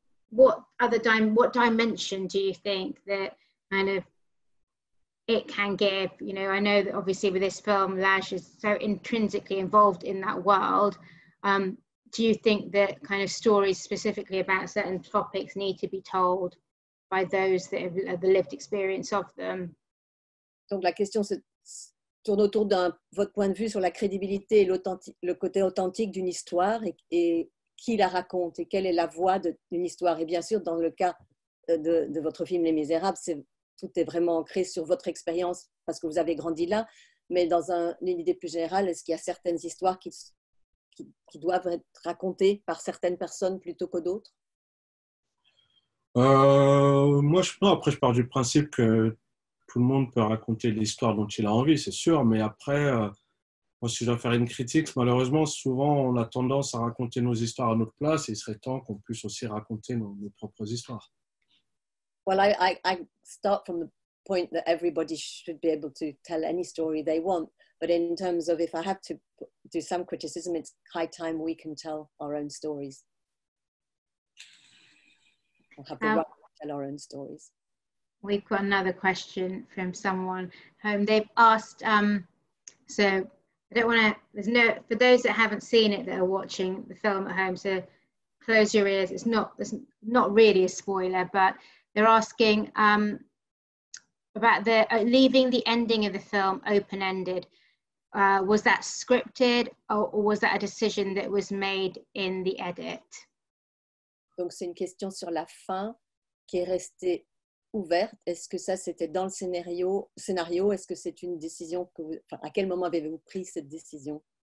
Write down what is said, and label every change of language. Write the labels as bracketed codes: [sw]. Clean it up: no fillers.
[en] What dimension do you think that kind of it can give? You know, I know that obviously with this film, Ladj is so intrinsically involved in that world. Do you think that kind of stories specifically about certain topics need to be told by those that have the lived experience of them. [fr] Donc la question se tourne autour d'un votre point de vue sur la crédibilité et le côté authentique d'une histoire et qui la raconte et quelle est la voix d'une histoire. Et bien sûr, dans le cas de votre film Les Misérables, c'est, tout est vraiment ancré sur votre expérience parce que vous avez grandi là. Mais dans une idée plus générale, est-ce qu'il y a certaines histoires qui doivent être racontées par certaines personnes plutôt que d'autres? Moi, je pense, après, je pars du principe que tout le monde peut raconter l'histoire dont il a envie, c'est sûr. Mais après, moi, si je dois faire une critique, malheureusement, souvent, on a tendance à raconter nos histoires à notre place et il serait temps qu'on puisse aussi raconter nos propres histoires. [en] Well, I start from the point that everybody should be able to tell any story they want. But in terms of if I have to do some criticism, it's high time we can tell our own stories. Or have the right to tell our own stories. We've got another question from someone home. They've asked, so I don't want to, there's no, for those that haven't seen it that are watching the film at home, so close your ears. It's not really a spoiler, but they're asking about the leaving the ending of the film open-ended. Was that scripted or was that a decision that was made in the edit? [fr] Donc c'est une question sur la fin qui est restée ouverte. Est-ce que ça c'était dans le scénario? Est-ce que c'est une décision que vous, enfin, à quel moment avez-vous pris cette décision?